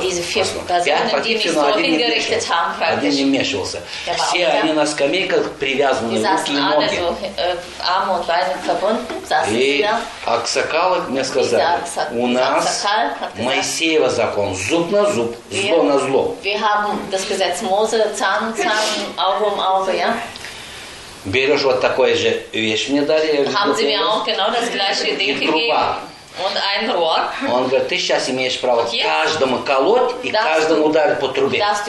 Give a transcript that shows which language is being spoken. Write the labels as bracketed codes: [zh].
[de] Diese vier Personen, die mich so hingerichtet haben, praktisch. [ru] Один не вмешивался. Все они на скамейках привязаны, руки и ноги. [de] Die saßen alle so, arm und beine verbunden, saßen sie da. [ru] И Аксакалы мне сказали, у нас Моисеева закон, зуб на зуб, зло на зло. [de] Wir haben das Gesetz Mose, Zahn, Zahn, Auge um Auge, ja? [ru] Берешь вот такое же вещь мне дали. [de] Haben sie mir auch genau das gleiche Ding gegeben. Und ein Rohr. [ru] Он говорит, ты сейчас имеешь право okay. каждому колоть и [de] darf [ru] каждому ударить по трубе.